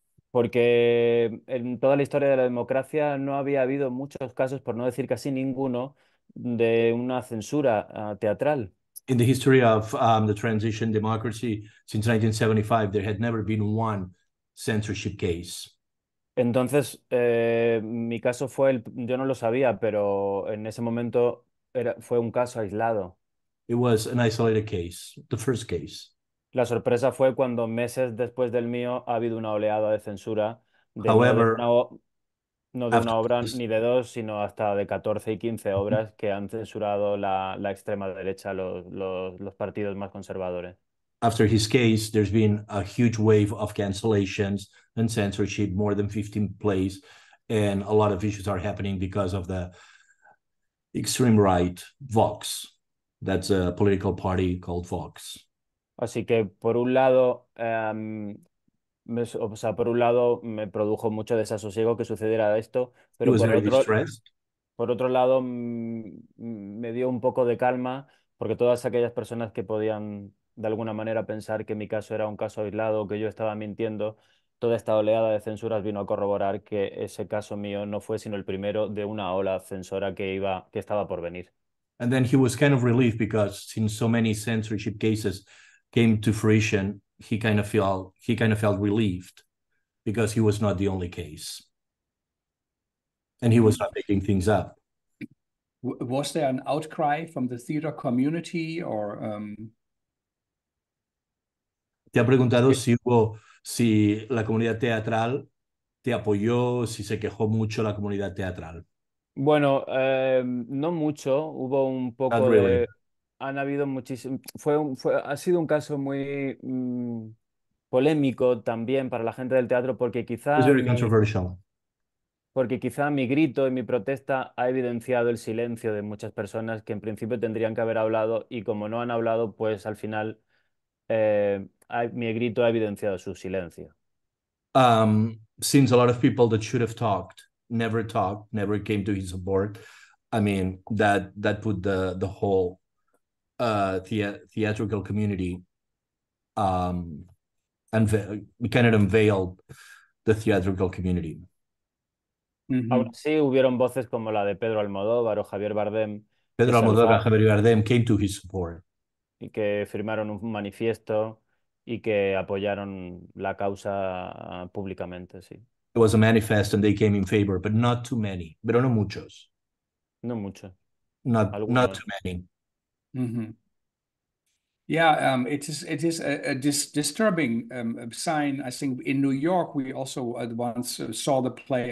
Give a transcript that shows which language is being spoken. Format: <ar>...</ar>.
<es>Porque en toda la historia de la democracia no había habido muchos casos, por no decir casi ninguno, de una censura teatral.</es> <en>In the history of the transition democracy since 1975, there had never been one censorship case.</en> <es>Entonces, mi caso fue, yo no lo sabía, pero en ese momento fue un caso aislado.</es> <en>It was an isolated case, the first case.</en> <es>La sorpresa fue cuando meses después del mío ha habido una oleada de censura. No de una obra ni de dos, sino hasta de 14 y 15 obras mm-hmm. que han censurado la extrema derecha, los partidos más conservadores.</es> <en>After his case, there's been a huge wave of cancellations and censorship, more than 15 plays, and a lot of issues are happening because of the extreme right, Vox. That's a political party called Vox.</en> <es>Así que, por un lado, por un lado, me produjo mucho desasosiego que sucediera esto, pero por otro lado, me dio un poco de calma, porque todas aquellas personas que podían de alguna manera pensar que mi caso era un caso aislado, que yo estaba mintiendo, toda esta oleada de censuras vino a corroborar que ese caso mío no fue sino el primero de una ola censora que estaba por venir.</es> <en>And then he was kind of relieved because since so many censorship cases came to fruition, he kind of felt relieved because he was not the only case. And he was not making things up. Was there an outcry from the theater community or...</en> <es>Te ha preguntado si la comunidad teatral te apoyó, si se quejó mucho la comunidad teatral. Bueno, no mucho, hubo un poco</es> <en>Not really.</en> <es>De... Han habido muchísimos... Ha sido un caso muy polémico también para la gente del teatro porque quizá...</es> <en>It's very controversial.</en> <es>Porque quizá mi grito y mi protesta ha evidenciado el silencio de muchas personas que en principio tendrían que haber hablado y como no han hablado, pues al final... mi grito ha evidenciado su silencio.</es> <en>Since a lot of people that should have talked, never came to his support. I mean, that put the whole theatrical community kind of unveiled the theatrical community. Mm-hmm.</en> <es>Aún así, hubieron voces como la de Pedro Almodóvar o Javier Bardem.</es> <en>Pedro Almodóvar y Javier Bardem came to his support.</en> <es>Y que firmaron un manifiesto y que apoyaron la causa públicamente, sí.</es> <en>It was a manifest and they came in favor, but not too many.</en> <es>Pero no muchos. No muchos.</es> <en>Not too many. Mm-hmm. Yeah, it is a disturbing sign. I think in New York, we also at once saw the play.</en>